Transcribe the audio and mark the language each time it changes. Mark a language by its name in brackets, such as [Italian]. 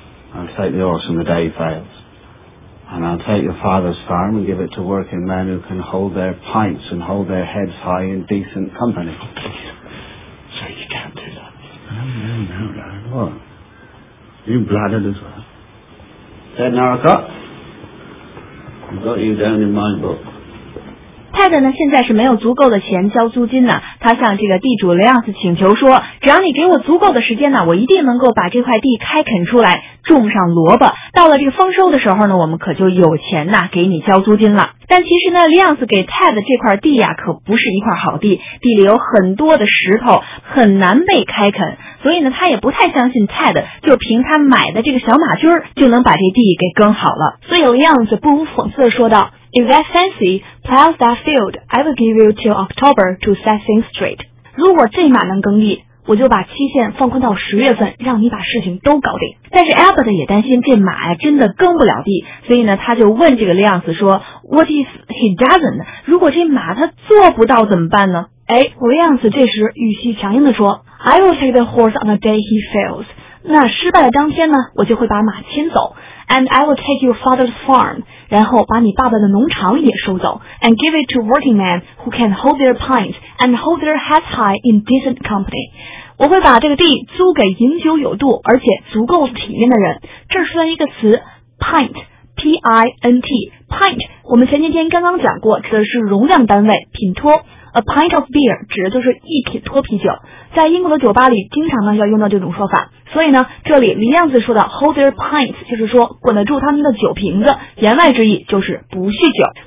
[English] I'll take the horse and the day fails. And I'll take your father's farm and give it to working men who can hold their pints and hold their heads high in decent company. Oh, please. Sir, you can't do that. No, no, no, no. What? You bladdered as well. Ted Narracott, I've got you down in my book. [Chinese] 泰德呢现在是没有足够的钱交租金呢，他向这个地主雷亚斯请求说，只要你给我足够的时间呢，我一定能够把这块地开垦出来，种上萝卜，到了这个丰收的时候呢，我们可就有钱呢给你交租金了。但其实呢，雷亚斯给泰德这块地呀，可不是一块好地，地里有很多的石头，很难被开垦，所以呢，他也不太相信泰德就凭他买的这个小马驹就能把这地给耕好了。所以雷亚斯不无讽刺地说道， [English] If that fancy plows that field, I will give you till October to set things straight. [Chinese] 如果这马能耕地，我就把期限放宽到十月份，让你把事情都搞定。但是 Albert 也担心这马真的耕不了地，所以呢，他就问这个 Leance 说 ， [English] What if he doesn't? [Chinese] 如果这马他做不到怎么办呢？哎 ，Leance 这时语气强硬地说 ， [English] I will take the horse on the day he fails. [Chinese] 那失败的当天呢，我就会把马牵走。 [English] And I will take your father's farm, [Chinese] 然后把你爸爸的农场也收走 [English] and give it to working men who can hold their pints and hold their heads high in decent company. [Chinese] 我会把这个地租给饮酒有度而且足够体面的人。这是一个词 ,pint, P-I-N-T, pint, 我们前几天刚刚讲过指的是容量单位品托。 [English] A pint of beer [Chinese] 指的就是一品脱啤酒，在英国的酒吧里经常呢要用到这种说法，所以呢这里李亮子说的 [English] hold their pints [Chinese] 就是说管得住他们的酒瓶子，言外之意就是不酗酒。